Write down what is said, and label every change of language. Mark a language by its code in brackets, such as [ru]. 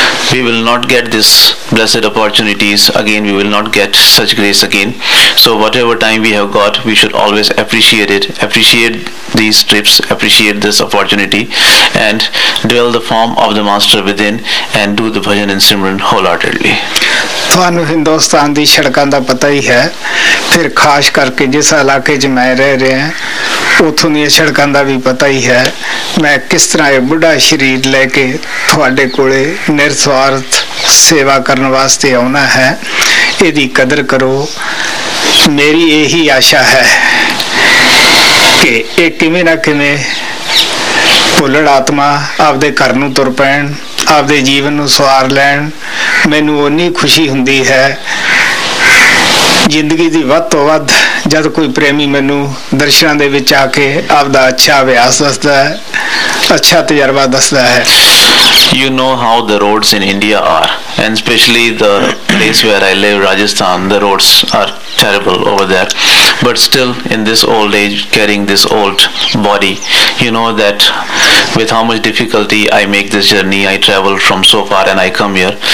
[en] We will not get this blessed opportunities again, we will not get such grace again. So whatever time we have got, we should always appreciate it, appreciate these trips, appreciate this opportunity, and dwell the form of the master within and do the bhajan and simran wholeheartedly. [pa] ਤੁਹਾਨੂੰ ਹਿੰਦੁਸਤਾਨ ਦੀ ਸੜਕਾਂ ਦਾ ਪਤਾ ਹੀ ਹੈ, ਫਿਰ ਖਾਸ ਕਰਕੇ ਜਿਸ ਇਲਾਕੇ 'ਚ ਮੈਂ ਰਹਿ ਰਿਹਾ ਉੱਥੋਂ ਦੀਆਂ ਸੜਕਾਂ ਦਾ ਵੀ ਪਤਾ ਹੀ ਹੈ। ਮੈਂ ਕਿਸ ਤਰ੍ਹਾਂ ਇਹ ਬੁੱਢਾ ਸਰੀਰ ਲੈ ਕੇ ਤੁਹਾਡੇ ਕੋਲ ਨਿਰਸਵਾਰਥ ਸੇਵਾ ਕਰਨ ਵਾਸਤੇ ਆਉਣਾ ਹੈ, ਇਹਦੀ ਕਦਰ ਕਰੋ। ਮੇਰੀ ਇਹੀ ਆਸ਼ਾ ਹੈ ਕਿ ਇਹ ਕਿਵੇਂ ਨਾ ਕਿਵੇਂ ਭੁੱਲੜ ਆਤਮਾ ਆਪਦੇ ਘਰ ਨੂੰ ਤੁਰ ਪੈਣ, ਆਪਦੇ ਜੀਵਨ ਨੂੰ ਸਵਾਰ ਲੈਣ। ਮੈਨੂੰ ਓਨੀ ਖੁਸ਼ੀ ਹੁੰਦੀ ਹੈ ਜ਼ਿੰਦਗੀ ਦੀ ਵੱਧ ਤੋਂ ਵੱਧ ਜਦ ਕੋਈ ਪ੍ਰੇਮੀ ਮੈਨੂੰ ਦਰਸ਼ਨਾਂ ਦੇ ਵਿੱਚ ਆ ਕੇ ਆਪਦਾ ਅੱਛਾ ਅਭਿਆਸ ਦੱਸਦਾ ਹੈ, ਅੱਛਾ ਤਜਰਬਾ ਦੱਸਦਾ ਹੈ। [en] You know how the roads in India are, and especially the place where I live, Rajasthan, the roads are terrible over there. But still, in this old age, carrying this old body, you know that with how much difficulty I make this journey, I travel from so far and I come here.